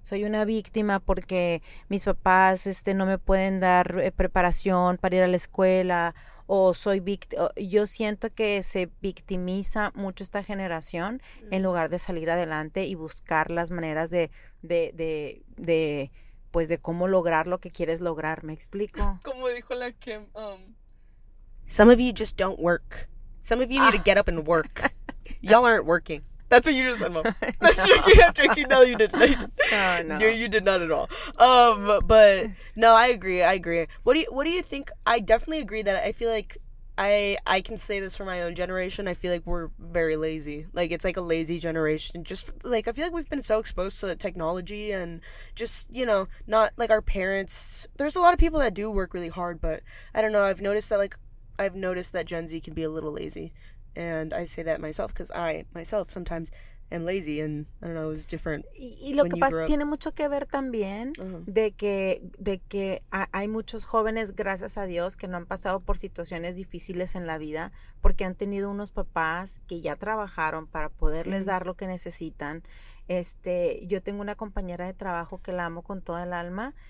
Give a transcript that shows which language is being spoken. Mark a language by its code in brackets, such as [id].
[es] Soy una víctima porque mis papás no me pueden dar preparación para ir a la escuela. O soy yo siento que se victimiza mucho esta generación mm-hmm. en lugar de salir adelante y buscar las maneras de cómo lograr lo que quieres lograr. ¿Me explico? Como dijo la Kim. [en] Some of you just don't work. Some of you need to get up and work. Y'all aren't working. That's what you just said, Mom. That's no. Drinking. I'm drinking. No, you didn't. No. You did not at all. But no, I agree. What do you think? I definitely agree that I feel like I can say this for my own generation. I feel like we're very lazy. Like it's like a lazy generation. Just like I feel like we've been so exposed to technology and just, you know, not like our parents. There's a lot of people that do work really hard, but I don't know. I've noticed that like I've noticed that Gen Z can be a little lazy. And I say that myself because I myself sometimes am lazy and I don't know, it's different. [es] Y lo que pasa tiene mucho que ver también de que hay muchos jóvenes, gracias a Dios, que no han pasado por situaciones difíciles en la vida porque han tenido unos papás que ya trabajaron para poderles dar lo que necesitan. Yo tengo una compañera de trabajo que la amo con toda el alma.